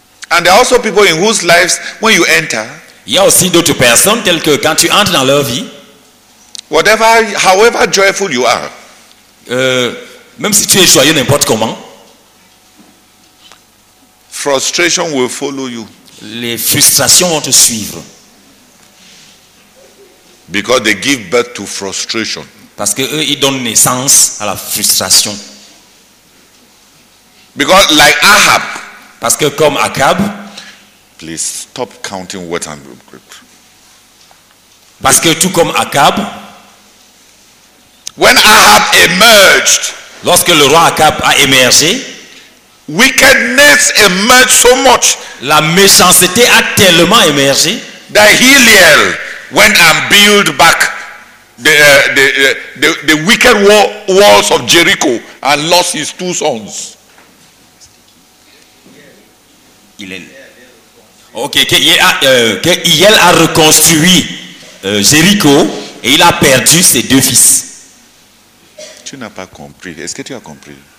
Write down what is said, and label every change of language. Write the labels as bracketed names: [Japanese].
[English] And there are also people in whose lives, when you enter. [French] Il y a aussi d'autres personnes telles que quand tu entres dans leur vie, [English] whatever, however joyful you are, [French] même si tu es joyeux n'importe comment, [English] frustration will follow you. [French] Les frustrations vont te suivre. [English] Because they give birth to frustration. [French] Parce que eux, ils donnent naissance à la frustration. [English] Because like Ahab, [French] parce que comme Ahab. [English] Please stop counting what I'm doing. [French] Parce que tout comme Ahab, [English] when Ahab emerged, [French] lorsque le roi Ahab a émergé, [English] wickedness emerged so much, [French] la méchanceté a tellement émergé, [English] that Hillel went and built back the wicked walls of Jericho and lost his two sons. [French] Hillel a reconstruit Jéricho et il a perdu ses deux fils. Tu n'as pas compris. Est-ce que tu as compris?